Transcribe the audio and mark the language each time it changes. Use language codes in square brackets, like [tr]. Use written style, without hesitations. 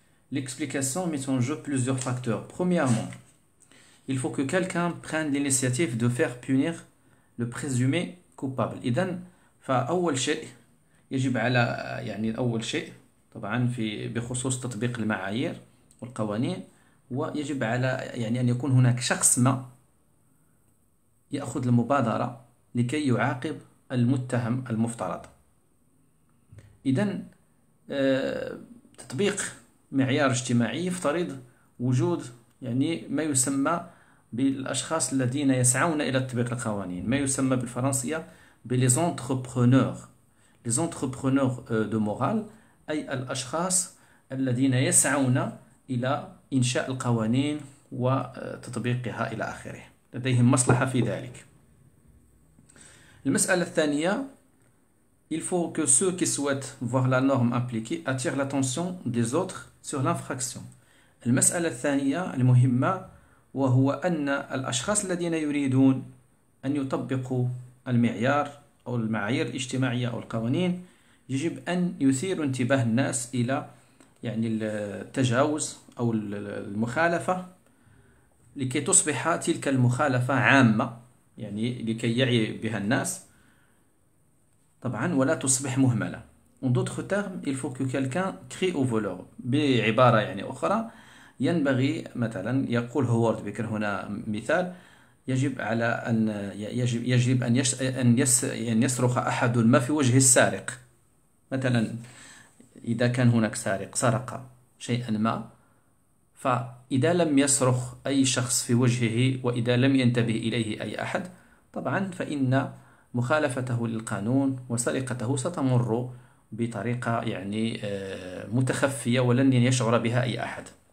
[fr] L'explication met en jeu plusieurs facteurs. Premièrement, il faut que quelqu'un prenne l'initiative de faire punir le présumé coupable. [ar] إذن فأول شيء يجب على يعني أول شيء طبعا في بخصوص تطبيق المعايير والقوانين ويجب على يعني أن يكون هناك شخص ما يأخذ المبادرة لكي يعاقب المتهم المفترض. إذن تطبيق معيار اجتماعي يفترض وجود يعني ما يسمى بالأشخاص الذين يسعون إلى تطبيق القوانين، ما يسمى بالفرنسية بليز انتربرونور، ليز انتربرونور دو مورال، أي الأشخاص الذين يسعون إلى إنشاء القوانين وتطبيقها إلى آخره، لديهم مصلحة في ذلك. المسألة الثانية، [fr] il faut que ceux qui souhaitent voir la norme appliquée attirent l'attention des autres sur l'infraction. [ar] المسألة الثانية المهمة وهو أن الأشخاص الذين يريدون أن يطبقوا المعيار أو المعايير الاجتماعية أو القوانين يجب أن يثيروا انتباه الناس إلى يعني التجاوز أو المخالفة لكي تصبح تلك المخالفة عامة، يعني لكي يعي بها الناس طبعا ولا تصبح مهملة. [fr] En d'autres termes, il faut que quelqu'un crie au voleur. [ar] بعبارة يعني أخرى ينبغي مثلا، يقول هوارد بيكر هنا مثال، يجب على أن يجب يجب أن يش أن يس أن يصرخ أحد ما في وجه السارق. مثلا إذا كان هناك سارق سرق شيئا ما، فإذا لم يصرخ أي شخص في وجهه وإذا لم ينتبه إليه أي أحد طبعا، فإن مخالفته للقانون وسرقته ستمر بطريقة يعني متخفية ولن يشعر بها أي أحد.